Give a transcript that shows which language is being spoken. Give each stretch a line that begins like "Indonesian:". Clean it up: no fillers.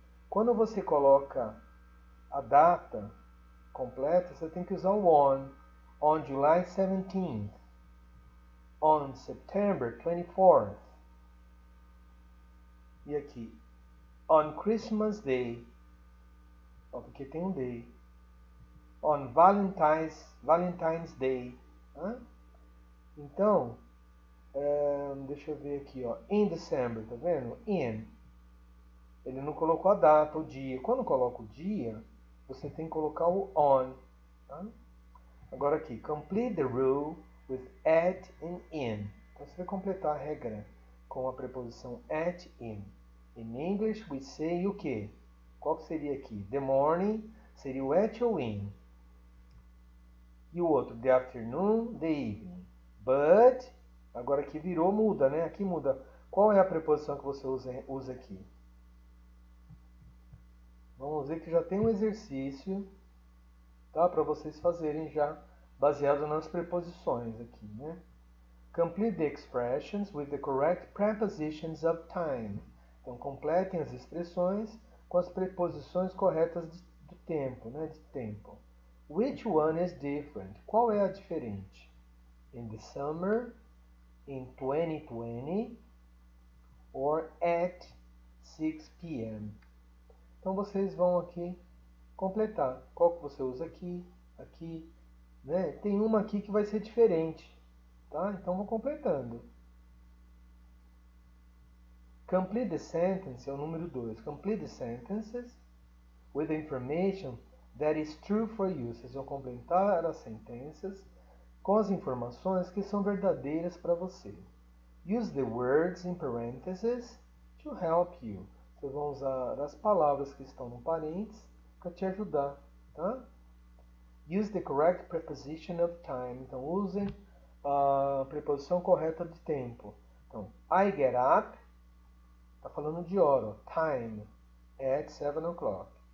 Portuguese: Quando você coloca a data completa, você tem que usar o on July 17th, on September 24th, e aqui, on Christmas Day, ó, porque tem um day, on Valentine's Day, hã? Então, deixa eu ver aqui, ó, in December, tá vendo? In. Ele não colocou a data, o dia. Quando coloca o dia, você tem que colocar o on. Tá?
English: Agora aqui, complete the rule with at and in.
Portuguese: Então você vai completar a regra com a preposição at in. In English, we say o quê? Qual que seria aqui? The morning seria o at ou in. E o outro, the afternoon, the evening. But, agora aqui virou, muda, né? Aqui muda. Qual é a preposição que você usa aqui? Vamos ver que já tem um exercício, tá, para vocês fazerem já baseado nas preposições aqui, né?
English: Complete the expressions with the correct prepositions of time.
Portuguese: Então, completem as expressões com as preposições corretas do tempo, né? De tempo. Which one is different? Qual é a diferente?
English: In the summer, in 2020, or at 6 p.m.
Portuguese: Então vocês vão aqui completar. Qual que você usa aqui? Aqui, né? Tem uma aqui que vai ser diferente, tá? Então vou completando. Complete the sentence, é o número 2.
English: Complete the sentences with the information that is true for you.
Portuguese: Vocês vão completar as sentenças com as informações que são verdadeiras para você.
English: Use the words in parentheses to help you.
Portuguese: Vocês vão usar as palavras que estão no parênteses para te ajudar, tá? Use the correct preposition of time. Então, usem a preposição correta de tempo.
English: Então, I get up, está falando de hora, ó, time, at 7 o'clock.